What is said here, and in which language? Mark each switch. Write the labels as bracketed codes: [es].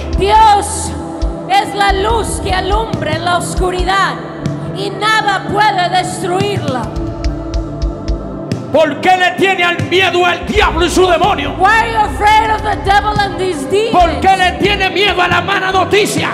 [es] Dios es la luz que alumbra la oscuridad y nada puede destruirla. ¿Por qué le tiene al miedo al diablo y su demonio? [en] Why are you afraid of the devil and these demons? [es] ¿Por qué le tiene miedo a la mala noticia?